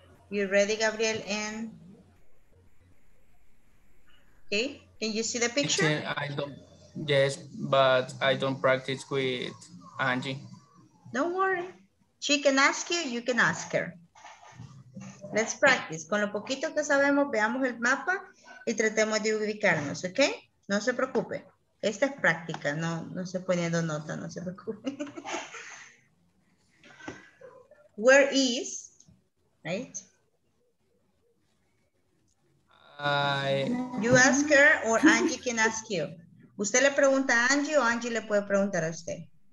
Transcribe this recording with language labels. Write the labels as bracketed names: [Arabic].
[English] You ready, Gabriel? And okay, can you see the picture? I don't, yes, but I don't practice with Angie. Don't worry. She can ask you, you can ask her. Let's practice. [Spanish] Con lo poquito que sabemos, veamos el mapa y tratemos de ubicarnos, okay? No se preocupe. Esta es práctica. No, no se poniendo nota. No se preocupe. [English] Where is? Right? You ask her or Angie can ask you. [Spanish] ¿Usted le pregunta a Angie o Angie le puede preguntar a usted?